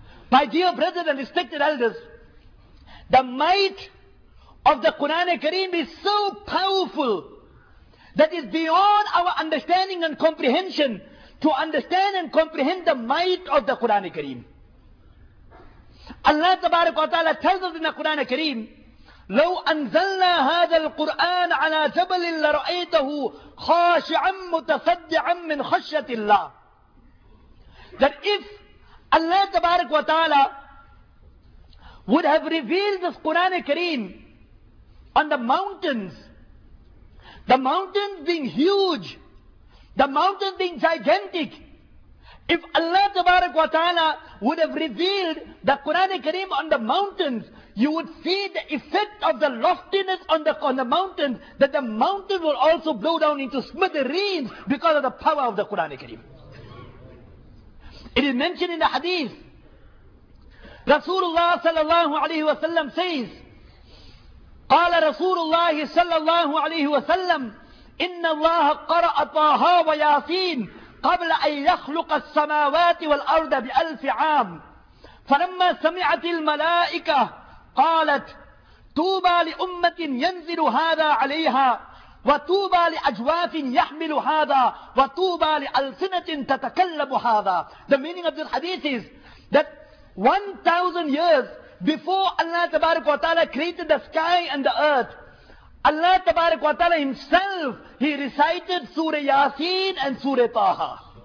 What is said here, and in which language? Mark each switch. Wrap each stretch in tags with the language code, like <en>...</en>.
<en>My dear brothers and respected elders, the might of the Quran Kareem is so powerful that is beyond our understanding and comprehension to understand and comprehend the might of the Quran Kareem. Allah tabarak wa ta'ala tells us in the Quran Kareem,</en> <ar>لو أنزلنا هذا القرآن على جبل لرأيته خاشعا متصدعا من خشية الله.</ar> <en>That if Allah tabarak wa ta'ala would have revealed this Quran Kareem on the mountains. The mountains being huge, the mountains being gigantic. If Allah Tabarak wa Ta'ala would have revealed the Quran Kareem on the mountains, you would see the effect of the loftiness on the mountains, that the mountain will also blow down into smithereens because of the power of the Quran Kareem. It is mentioned in the hadith.</en> <ar>Rasulullah sallallahu alayhi wa sallam says, قَالَ رَسُولُ اللَّهِ صَلَّى اللَّهُ عَلَيْهِ وَسَلَّمْ إِنَّ اللَّهَ قَرَأَ طَاهَا وَيَاسِينَ قَبْلَ أَنْ يَخْلُقَ السَّمَاوَاتِ وَالْأَرْضَ بِأَلْفِ عَامٍ فَلَمَّا سَمِعَتِ الْمَلَائِكَةِ قَالَتْ تُوبَى لِأُمَّةٍ يَنْزِلُ هَذَا عَلَيْهَا وَتُوبَى لِأَجْوَافٍ يَحْمِلُ هَذَا وَتُوبَى لِأَلْسِنَةٍ تَتَكَلَّمُ هَذَا.</ar> <en>The meaning of this hadith is that 1,000 years before Allah Tabarak wa Ta'ala created the sky and the earth, Allah Tabarak wa Ta'ala himself, he recited Surah Yasin and Surah Taha.</en>